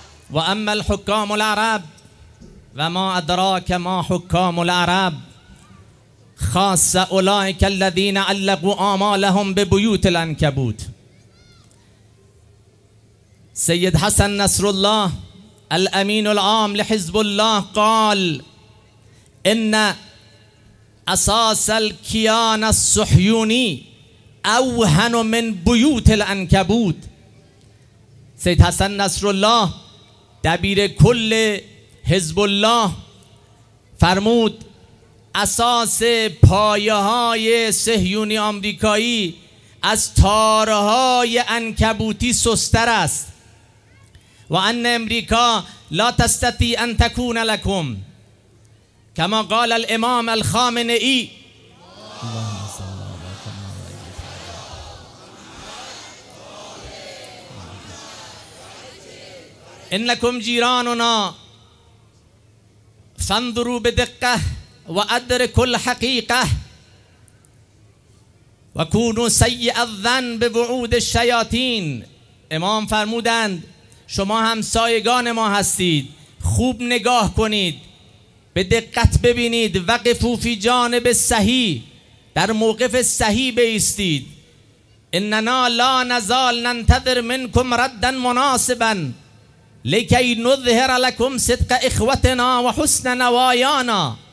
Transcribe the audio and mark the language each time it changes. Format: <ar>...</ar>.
<ar>و اما الحکام العرب و ما ادراک ما حکام العرب خاص اولئک الذین علقوا آمالهم به بیوت العنکبوت. سید حسن نصر الله الامین العام لحزب الله قال ان اساس الكيان الصهيوني اوهن من بيوت العنكبوت.</ar> <fa>سید حسن نصر الله دبیر کل حزب الله فرمود اساس پایه‌های صهیونی آمریکایی از تارهای عنکبوتی سست‌تر است.</fa> <ar>و ان امریکا لا تستطیع ان تكون لكم كما قال الامام الخامنه‌ای. اللهم صل على محمد. انكم جيراننا فانظروا بدقه وادركوا الحقيقه وكونوا سيء الظن بوعود الشياطين.</ar> <fa>امام فرمودند شما همسایگان ما هستید، خوب نگاه کنید، به دقت ببینید.</fa> <ar>وقفو فی جانب صحیح،</ar> <fa>در موقف صحیح بایستید.</fa> <ar>اننا لا نزال ننتظر منکم ردا مناسبا لکی نظهر لکم صدق اخوتنا و حسن نوایانا.</ar>